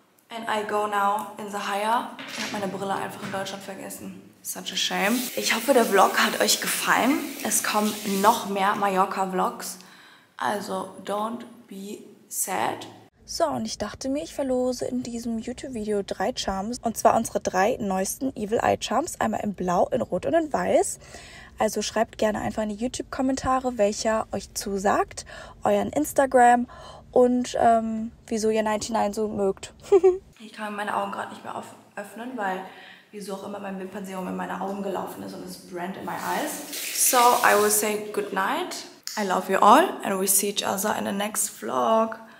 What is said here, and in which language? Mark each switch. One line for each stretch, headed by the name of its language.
English: And I go now in the higher.
German: Ich habe meine Brille einfach in Deutschland vergessen.
English: Such a shame.
German: Ich hoffe, der Vlog hat euch gefallen. Es kommen noch mehr Mallorca-Vlogs. Also
English: don't be sad.
German: So, und ich dachte mir, ich verlose in diesem YouTube-Video drei Charms. Und zwar unsere drei neuesten Evil Eye Charms. Einmal in Blau, in Rot und in Weiß. Also schreibt gerne einfach in die YouTube-Kommentare, welcher euch zusagt. Euren Instagram und wieso ihr 99 so mögt. Ich kann meine Augen gerade nicht mehr öffnen, weil wieso auch immer mein Wimpernserum in meine Augen gelaufen ist und es brennt
English: in my eyes. So, I will say good night. I love you all and we see each other in the next vlog.